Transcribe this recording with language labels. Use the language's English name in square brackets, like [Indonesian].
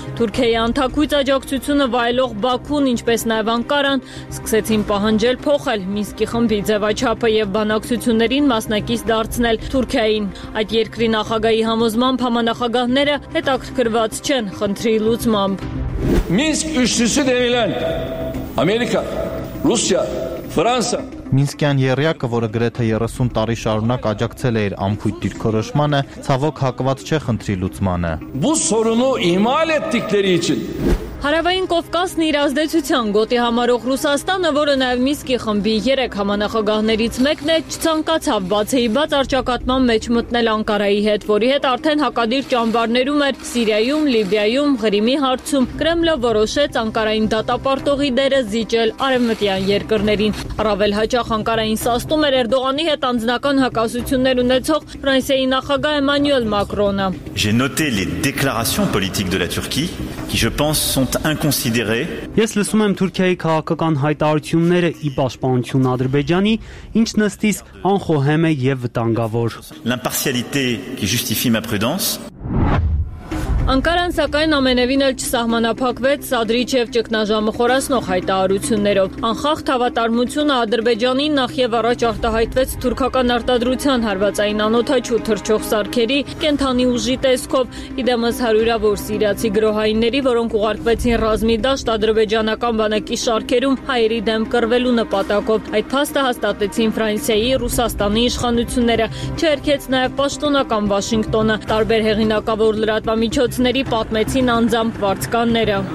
[Armenian] Թուրքիայի անթաքույց աջակցությունը վայելող Բաքուն, ինչպես նաեւ Անկարան, սկսեցին պահանջել փոխել Մինսկի խմբի ձևաչափը եւ բանակցություններին մասնակից դարձնել Թուրքիային։ Այդ երկրի նախագահի համոզմամբ համանախագահները հետաքրքրված չեն խնդրի լուծմամբ։ [Turkish] Մինսկ ուշտիսի դերելան Ամերիկա, Ռուսիա, Ֆրանսա։ [Armenian] Մինսկյան երյակը, որը գրեթե 30 տարի շարունակ աջակցել է իր ամբույթ դիրքորոշմանը, ցավոք հակված չէ խնդրի լուծմանը։ [Turkish] Bu sorunu ihmal ettikleri için [Armenian] Հարավային Կովկասն իր ազդեցության գոտի համարող Ռուսաստանը, որը նաև Մինսկի խմբի 3 համանախագահներից մեկն է, չցանկացավ բացեի բաց արճակատման մեջ մտնել Անկարայի հետ, որի հետ արդեն հակադիր ճամբարներում էր Սիրիայում, Լիբիայում, Ղրիմի հարցում։ Կրեմլը որոշեց Անկարային դատապարտողի դերը զիջել արևմտյան երկրներին։ Առավել հաճախ Անկարային սաստում էր Էրդողանի հետ անձնական հակասություններ ունեցող Ֆրանսիայի նախագահ Էմանյուել Մակրոնը։ [French] J'ai noté les déclarations politiques de la Turquie qui je pense sont inconsidérés. [Armenian] Ես լսում եմ Թուրքիայի քաղաքական հայտարարությունները ի պաշտպանություն Ադրբեջանի, ինչն ըստ իս անխոհեմ է եւ վտանգավոր. [French] L'impartialité qui justifie ma prudence. [Armenian] Անկարան, սակայն, ամենևին էլ չսահմանափակվեց Սադրիչ եւ ճգնաժամը խորացնող հայտարարություններով։ Անխախ հավատարմությունը Ադրբեջանի նախ եւ առաջ արտահայտվեց թուրքական արտադրության հարվածային անօթաչու թրչող սարքերի կենթանի ուժի տեսքով, իդեմս հարյուրավոր սիրիացի գրոհայինների, որոնք ուղարկվեցին ռազմիդաշտ ադրբեջանական բանակի շարքերում հայերի դեմ կռվելու նպատակով։ Այդ փաստը հաստատեցին Ֆրանսիայի, Ռուսաստանի իշխանությունները, չերքեց նաեւ պաշտոնական Վաշինգտոնը, տարբեր հեղինակավոր լրատվամիջոցներ ցների պատմեցին անձամբ վարձկանները։